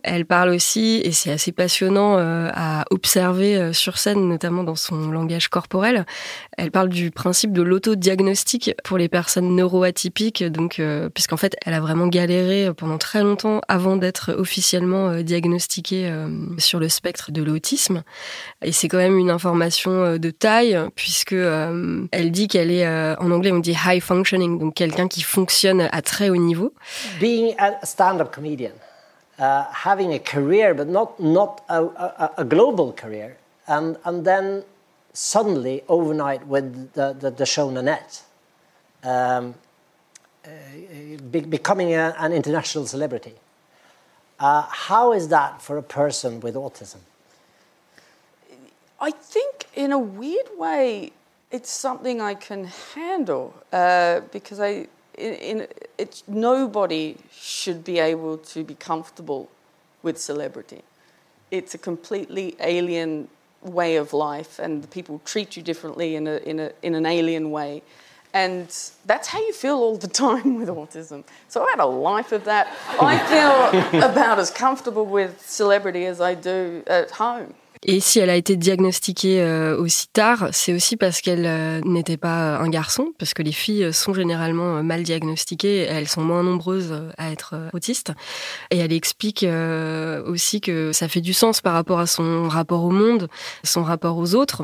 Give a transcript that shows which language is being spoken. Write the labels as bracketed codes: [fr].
[fr] Elle parle aussi, et c'est assez passionnant à observer sur scène, notamment dans son langage corporel, elle parle du principe de l'autodiagnostic pour les personnes neuroatypiques, donc, puisqu'en fait, elle a vraiment galéré pendant très longtemps avant d'être officiellement diagnostiquée sur le spectre de l'autisme. Et c'est quand même une information de taille, puisque elle dit qu'elle est, en anglais, on dit [en] high functioning, [fr] donc quelqu'un qui fonctionne à très haut niveau. [en] Being a stand-up comedian, having a career, but not a global career, and then suddenly overnight with the show Nanette, becoming an international celebrity. How is that for a person with autism? I think in a weird way, it's something I can handle because nobody should be able to be comfortable with celebrity. It's a completely alien way of life, and the people treat you differently in an alien way, and that's how you feel all the time with autism. So I had a life of that. I feel about as comfortable with celebrity as I do at home. [fr] Et si elle a été diagnostiquée aussi tard, c'est aussi parce qu'elle n'était pas un garçon, parce que les filles sont généralement mal diagnostiquées, elles sont moins nombreuses à être autistes. Et elle explique aussi que ça fait du sens par rapport à son rapport au monde, son rapport aux autres.